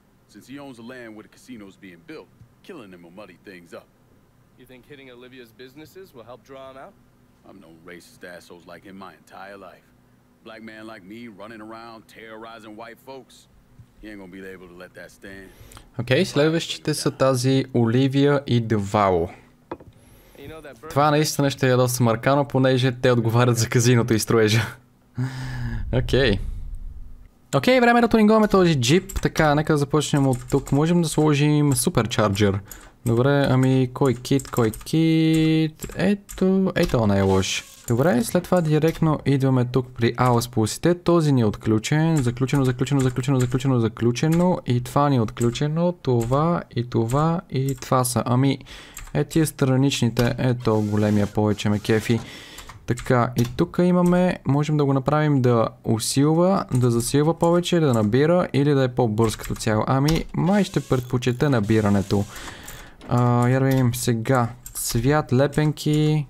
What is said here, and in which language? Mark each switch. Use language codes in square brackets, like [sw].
[en] Since he owns the land where the casino's being built, killing him will muddy things up. You think hitting Olivia's businesses will help draw him out? I've known racist assholes like him my entire life. Black man like me running around terrorizing white folks. He ain't gonna be able to let that stand. [bg] Okay, следващите са тази Olivia и Duval. Това наистина ще е доста маркано, понеже те отговарят за казиното и строежа. Окей. Окей, време да тунингуваме този джип. Така, нека да започнем от тук. Можем да сложим суперчарджер. Добре, ами кой кит, кой кит? Ето, ето не е лош. Добре, след това директно идваме тук при ауспусите. Този ни е отключен. Заключено, заключено, заключено, заключено, заключено. И това ни е отключено. Това и това и това са. Ами... Е, тия страничните, ето големия повече ме кефи. Така, и тук имаме, можем да го направим да усилва, да засилва повече, да набира или да е по-бърз като цяло. Ами, май ще предпочета набирането. Ярвим сега, цвят, лепенки.